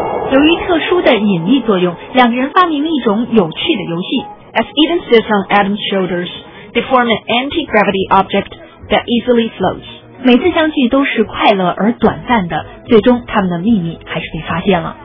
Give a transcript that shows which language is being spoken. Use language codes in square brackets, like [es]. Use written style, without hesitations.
[zh] 由于特殊的引力作用，两个人发明了一种有趣的游戏。 [en] As Eden sits on Adam's shoulders, they form an anti-gravity object that easily floats. [zh] 每次相聚都是快乐而短暂的，最终他们的秘密还是被发现了。